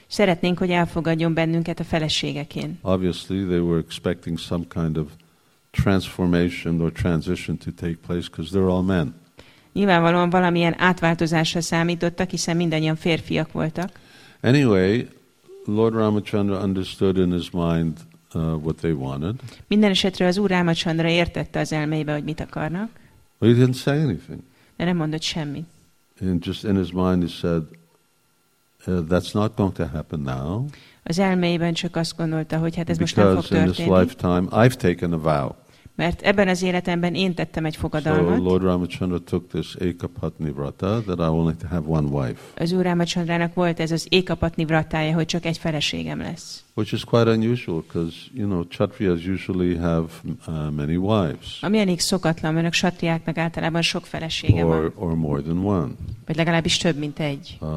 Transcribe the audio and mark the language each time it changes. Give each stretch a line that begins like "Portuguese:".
Hungarian: Szeretnénk, hogy elfogadjon bennünket a feleségekén.
English: Obviously they were expecting some kind of transformation or transition to take place because they're all men.
Hungarian: Nyilvánvalóan valamilyen átváltozásra számítottak, hiszen mindannyian férfiak voltak.
English: Anyway, Lord Ramachandra understood in his mind what they wanted.
Hungarian: Minden esetre az Úr Ramachandra értette az elmébe, hogy mit akarnak.
English: But he didn't say anything.
Hungarian: De nem mondott semmit.
English: And just in his mind he said, that's not going to happen now.
Hungarian: Az elmében csak azt gondolta, hogy hát ez
English: because
Hungarian: most nem fog történni.
English: In this lifetime, I've taken a vow.
Hungarian: Mert ebben az életemben én tettem egy fogadalmat.
English: So Lord Ramachandra took this ekapatni vrata that I only have one wife.
Hungarian: Az Úr Ramachandrának volt ez az ekapatni vratája, hogy csak egy feleségem lesz.
English: Which is quite unusual because, you know, kshatriyas usually have many wives.
Hungarian: Ami elég szokatlan, mert a kshatriáknak általában sok felesége van.
English: Or more than one.
Hungarian: Vagy legalábbis több, mint egy.